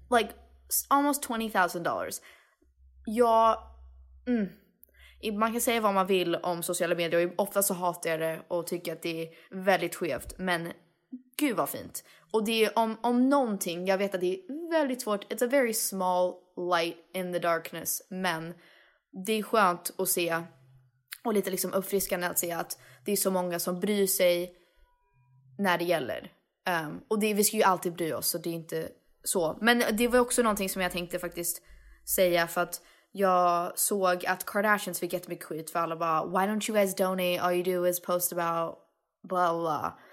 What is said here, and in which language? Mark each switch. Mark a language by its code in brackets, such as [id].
[en] Like, almost $20,000. [sv] Jag... [en] Mm. [sv] Man kan säga vad man vill om sociala medier. Ofta så hatar jag det och tycker att det är väldigt skevt. Men gud vad fint. Och det är om någonting, jag vet att det är väldigt svårt. [en] It's a very small light in the darkness. [sv] Men det är skönt att se, och lite liksom uppfriskande att se att det är så många som bryr sig när det gäller. Och det, vi ska ju alltid bry oss, så det är inte så. Men det var också någonting som jag tänkte faktiskt säga, för att jag såg att Kardashians fick jättemycket skit för alla bara, [en] why don't you guys donate, all you do is post about blah blah.